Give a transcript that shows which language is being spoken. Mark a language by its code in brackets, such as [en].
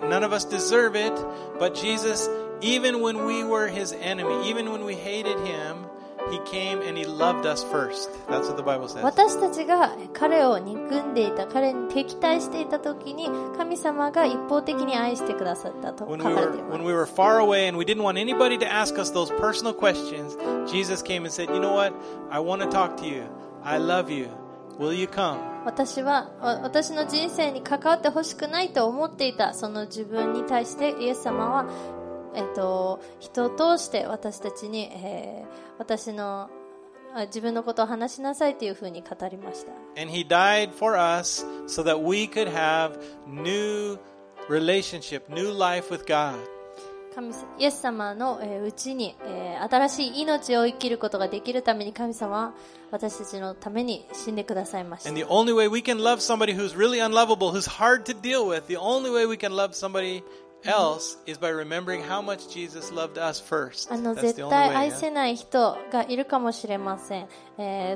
[en] None of us deserve it, but Jesus, even when we were his enemy, even when we hated him,He came and he loved us first. That's what the Bible says. [ja] 私たちが彼を憎んでいた、彼に敵対していた時に、神様が一方的に愛してくださったと書かれています。 [en] When we were far away and we didn't want anybody to ask us those personal questions, Jesus came and said, "You know what? I want to talk to you. I love you. Will you come?" [ja] 私の人生に関わってほしくないと思っていたその自分に対して、イエス様は人を通して私たちに、私の自分のことを話しなさいというふうに語りました。 [en] And he died for us so that we could have new relationship, new life with God. [ja] イエス様のうちに、新しい命を生きることができるために神様は私たちのために死んでくださいました。 [en] And the only way we can love somebody who's really unlovable, who's hard to deal with, the only way we can love somebody else is by remembering how much Jesus loved us first. [ja] あの絶対愛せない人がいるかもしれません。